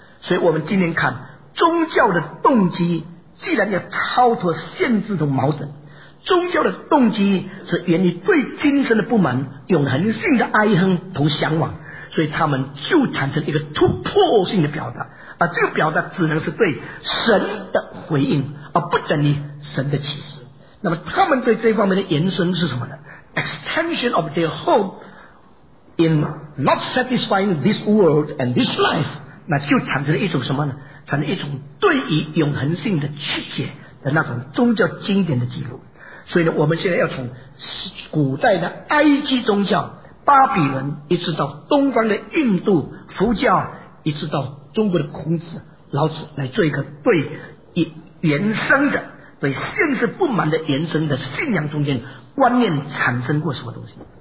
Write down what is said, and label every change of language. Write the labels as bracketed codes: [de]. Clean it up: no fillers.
[zh] 所以我们今天看宗教的动机，既然要超脱限制的矛盾，宗教的动机是源于对今生的不满、永恒性的哀恨同向往，所以他们就产生一个突破性的表达，而这个表达只能是对神的回应，而不等于神的启示。那么他们对这方面的延伸是什么呢？ [en] Extension of their hope in not satisfying this world and this life，那就产生了一种什么呢？ [zh] 产生一种对于永恒性的曲解的那种宗教经典的记录。所以呢，我们现在要从古代的埃及宗教、巴比伦，一直到东方的印度佛教，一直到中国的孔子、老子，来做一个对原生的、对现实不满的原生的信仰中间观念产生过什么东西。